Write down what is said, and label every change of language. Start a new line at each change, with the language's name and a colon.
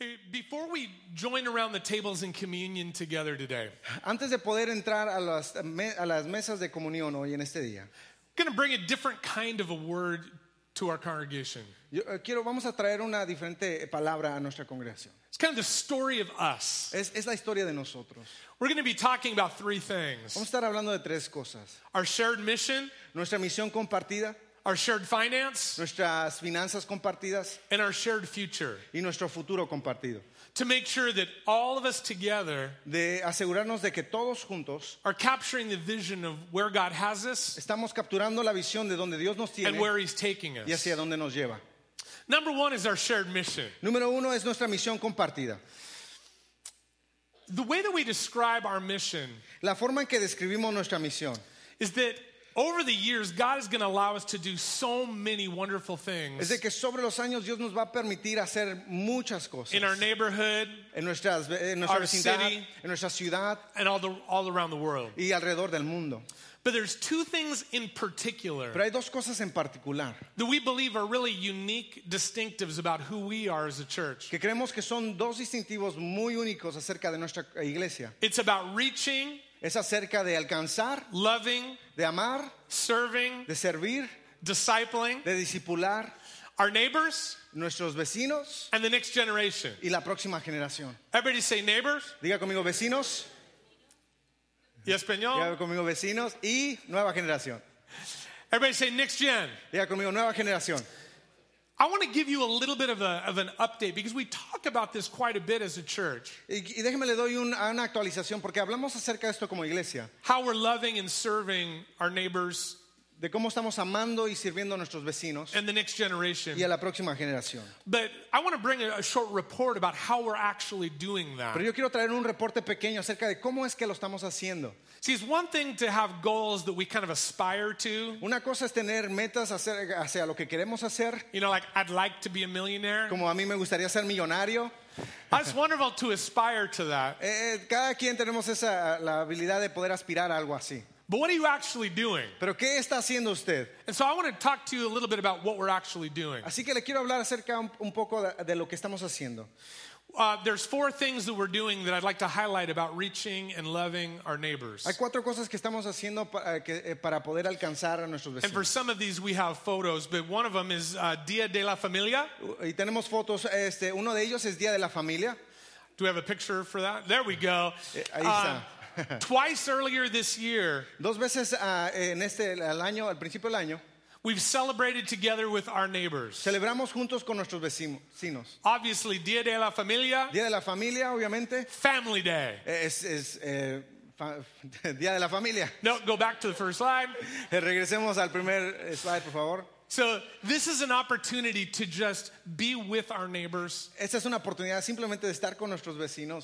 English: Before we join around the tables in communion together today,
Spanish: antes de poder entrar a las mesas de comunión hoy en este día,
English: I'm going to bring a different kind of a word to our congregation.
Spanish: Vamos a traer una diferente palabra a nuestra congregación.
English: It's kind of the story of us.
Spanish: Es la historia de nosotros.
English: We're going to be talking about three things.
Spanish: Vamos a estar hablando de tres cosas.
English: Our shared mission.
Spanish: Nuestra misión compartida.
English: Our shared finance,
Spanish: nuestras finanzas compartidas,
English: and our shared future,
Spanish: y nuestro futuro compartido,
English: to make sure that all of us together,
Spanish: de asegurarnos de que todos juntos,
English: are capturing the vision of where God has us,
Spanish: estamos capturando la visión de donde Dios nos tiene,
English: and where He's taking us,
Spanish: y hacia dónde nos lleva.
English: Number one is our shared mission.
Spanish: Número uno es nuestra misión compartida.
English: The way that we describe our mission,
Spanish: la forma en que describimos nuestra misión,
English: is that over the years, God is going to allow us to do so many wonderful things.
Spanish: Es de que sobre los años Dios nos va a permitir hacer muchas cosas.
English: In our neighborhood,
Spanish: en nuestra
English: our
Spanish: vecindad,
English: city,
Spanish: en nuestra ciudad,
English: and all around the world.
Spanish: Y alrededor del mundo.
English: But there's two things in particular.
Spanish: Pero hay dos cosas en particular.
English: That we believe are really unique distinctives about who we are as a church.
Spanish: Que creemos que son dos distintivos muy únicos acerca de nuestra iglesia.
English: It's about reaching.
Spanish: Es acerca de alcanzar,
English: loving,
Spanish: de amar,
English: serving,
Spanish: de servir,
English: discipling,
Spanish: de discipular,
English: our neighbors,
Spanish: nuestros vecinos,
English: and the next generation,
Spanish: y la próxima generación.
English: Everybody say neighbors.
Spanish: Diga conmigo vecinos. Y español. Diga conmigo vecinos y nueva generación.
English: Everybody say next gen.
Spanish: Diga conmigo nueva generación.
English: I want to give you a little bit of an update because we talk about this quite a bit as a church.
Spanish: Y déjeme le doy una actualización porque hablamos acerca de esto como iglesia.
English: How we're loving and serving our neighbors.
Spanish: De cómo estamos amando y sirviendo a nuestros vecinos.
English: And the next generation.
Spanish: Y a la próxima generación.
English: But I want to bring a short report about how we're actually doing that.
Spanish: Pero yo quiero traer un reporte pequeño acerca de cómo es que lo estamos haciendo.
English: See, it's one thing to have goals that we kind of aspire to.
Spanish: Una cosa es tener metas hacia lo que queremos hacer.
English: You know, like I'd like to be a millionaire.
Spanish: Como a mí me gustaría ser millonario.
English: That's wonderful to aspire to that.
Spanish: Cada quien tenemos esa la habilidad de poder aspirar a algo así.
English: But what are you actually doing?
Spanish: ¿Pero qué está haciendo usted?
English: And so I want to talk to you a little bit about what we're actually doing.
Spanish: Así que le quiero hablar acerca un poco de lo que estamos haciendo.
English: There's four things that we're doing that I'd like to highlight about reaching and loving our neighbors.
Spanish: Hay cuatro cosas que estamos haciendo para poder alcanzar a nuestros vecinos.
English: And for some of these we have photos, but one of them is Día de la Familia.
Spanish: Y tenemos fotos, uno de ellos es Día de la Familia.
English: Do we have a picture for that? There we go.
Spanish: Ahí está.
English: Twice earlier this year,
Spanish: dos veces en este el año, al principio del año,
English: we've celebrated together with our neighbors.
Spanish: Celebramos juntos con nuestros vecinos.
English: Obviously, Día de la Familia.
Spanish: Día de la Familia, obviamente.
English: Family Day.
Spanish: Día de la Familia.
English: No, go back to the first slide.
Spanish: Regresemos al primer slide, por favor.
English: So this is an opportunity to just be with our neighbors.
Spanish: Esta es una oportunidad simplemente de estar con nuestros vecinos.